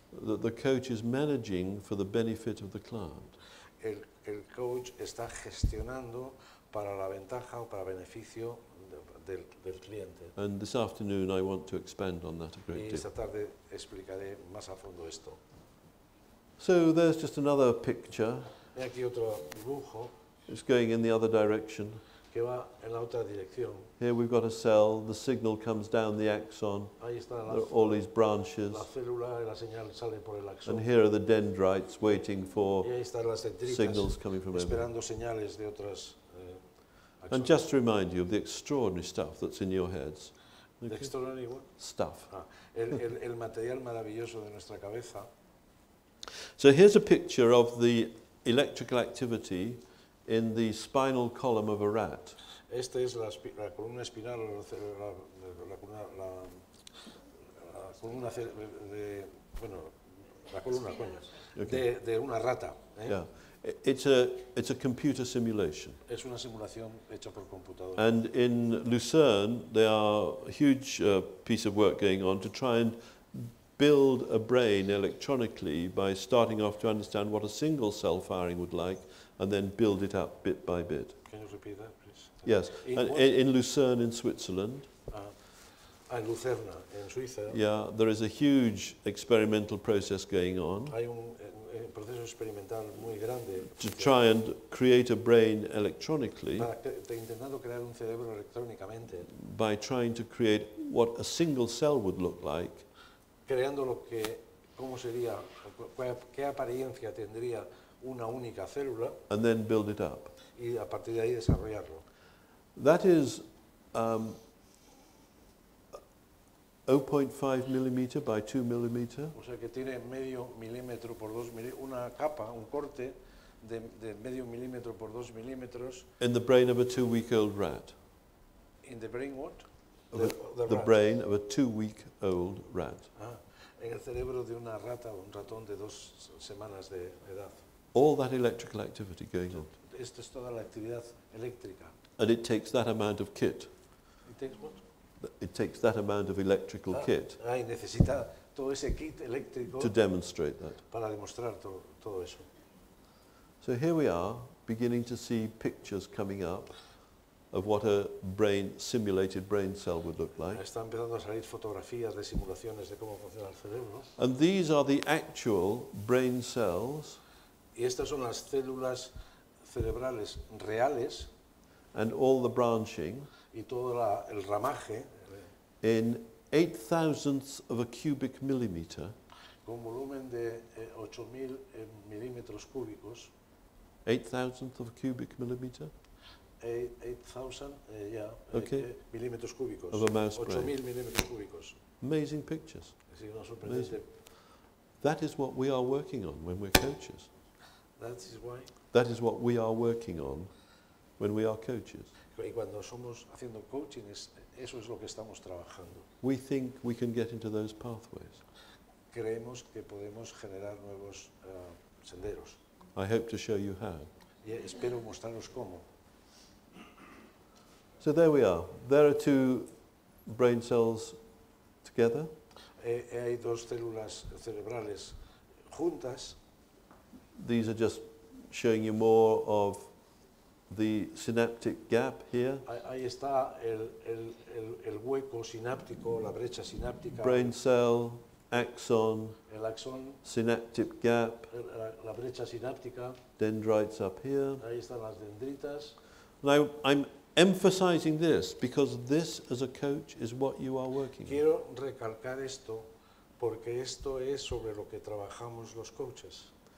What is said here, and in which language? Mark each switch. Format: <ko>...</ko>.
<en>That the coach is managing for the benefit of the client.</en> <es>El coach está gestionando para la ventaja o para beneficio del cliente.</es> <en>And this afternoon I want to expand on that a great deal.</en> <es>Y esta tarde explicaré más a fondo esto.</es> <en>So there's just another picture.</en> <es>Hay aquí otro dibujo.</es> <en>It's going in the other direction.</en> <es>Que va en la otra dirección.</es> <en>Here we've got a cell. The signal comes down the axon.</en> <es>Ahí está</es> <en>all these branches.</en> <es>La célula, la señal sale por el axón.</es> <en>And here are the dendrites waiting for signals coming from</en> <es>esperando over. Señales de otras, axones.</es> <en>And just to remind you of the extraordinary stuff that's in your heads. Okay. The extraordinary what? Stuff.</en> <es>El material maravilloso de nuestra cabeza.</es> <en>So here's a picture of the electrical activity in the spinal column of a rat.</en> <es>Esta es la columna espinal, la columna de una rata.</es> <en>Yeah, it's a computer simulation.</en> <es>Es una simulación hecha por computadora.</es> <en>And in Lucerne, there are a huge piece of work going on to try and build a brain electronically by starting off to understand what a single cell firing would like and then build it up bit by bit. Can you repeat that, please? Yes. In Lucerne, in Switzerland. In Lucerne, in Switzerland. Yeah, there is a huge experimental process going on.</en> <es>Hay un proceso experimental muy grande.</es> <en>To try and create a brain electronically.</en> <es>Intentando crear un cerebro electrónicamente.</es> <en>By trying to create what a single cell would look like.</en> <es>Creando lo que, cómo sería, qué apariencia tendría una única célula.</es> <en>And then build it up.</en> <es>Y a partir de ahí desarrollarlo.</es> <en>That is 0.5 millimeter by 2 millimeter.</en> <es>O sea que tiene medio milímetro por 2 milímetros, una capa, un corte de medio milímetro por 2 milímetros.</es> <en>In the brain of a 2-week-old rat. In the brain what? The brain of a 2-week-old rat.</en> <es>En el cerebro de una rata o un ratón de 2 semanas de edad.</es> <en>All that electrical activity going on.</en> <es>Esto es toda la actividad eléctrica.</es> <en>And it takes that amount of kit. It takes what? It takes that amount of electrical kit.</en> <es>Y necesita todo ese kit eléctrico.</es> <en>To demonstrate that.</en> <es>Para demostrar todo eso.</es> <en>So here we are, beginning to see pictures coming up of what a brain simulated brain cell would look like.</en> <es>Está empezando a salir fotografías de simulaciones de cómo funciona el cerebro.</es> <en>And these are the actual brain cells.</en> <es>Y estas son las células cerebrales reales</es> <en>and all the branching</en> <es>y todo la, el ramaje</es> <en>in 8,000ths of a cubic millimeter</en> <es>con volumen de 8,000 milímetros cúbicos</es> <en>8,000ths of a cubic millimeter</en> <es>8,000 milímetros cúbicos</es> <en>of a mouse 8,000</en> <es>brain. Milímetros cúbicos.</es> <en>Amazing pictures.</en> <es>Es una sorprendente.</es> <en>That is what we are working on when we're coaches. That is what we are working on when we are coaches.</en> <es>Y cuando somos haciendo coaching, eso es lo que estamos trabajando.</es> <en>We think we can get into those pathways.</en> <es>Creemos que podemos generar nuevos senderos.</es> <en>I hope to show you how.</en> <es>Y espero mostraros cómo.</es> <en>So there we are. There are two brain cells together.</en> <es>Hay dos células cerebrales juntas.</es> <en>These are just showing you more of the synaptic gap here.</en> <es>Ahí está el hueco sináptico, la brecha sináptica.</es> <en>Brain cell, axon.</en> <es>El axón.</es> <en>Synaptic gap.</en> <es>La brecha sináptica.</es> <en>Dendrites up here.</en> <es>Ahí están las dendritas.</es> <en>Now I'm emphasizing this because this, as a coach, is what you are working.</en> <es>Quiero recalcar esto porque esto es sobre lo que trabajamos los coaches.</es>